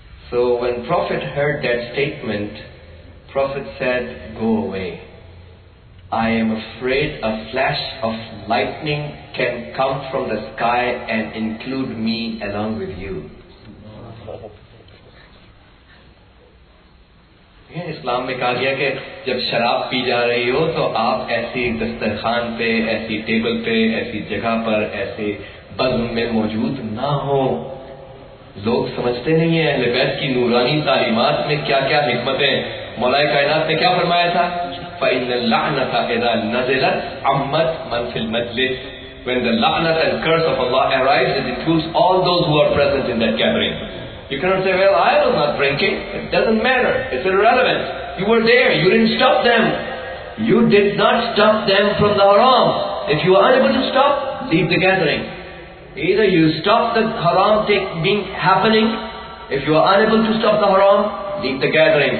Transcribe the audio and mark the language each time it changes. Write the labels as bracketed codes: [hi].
[en] So when Prophet heard that statement, Prophet said, "Go away. I am afraid a flash of lightning can come from the sky and include me along with you." [hi] इस्लाम में कहा गया कि जब शराब P जा रही हो तो आप ऐसी दस्तरखान पे, ऐसी टेबल पे, ऐसी जगह पर, ऐसे बज़्म में मौजूद ना हो. लोग समझते नहीं है अहले बैत की नूरानी तालीमात में क्या क्या हिकमतें. मौलाए कायनात ने क्या फरमाया था, [ar] फ़इन्नल लअनता इज़ा नज़लत अम्मत मन फिल मजलिस, [en] When the लअनत and curse of Allah arises it includes all those who are present in that gathering. You cannot say, "Well, I was not drinking." It doesn't matter. It's irrelevant. You were there. You didn't stop them. You did not stop them from the haram. If you are unable to stop, leave the gathering. Either you stop the haram being happening. If you are unable to stop the haram, leave the gathering.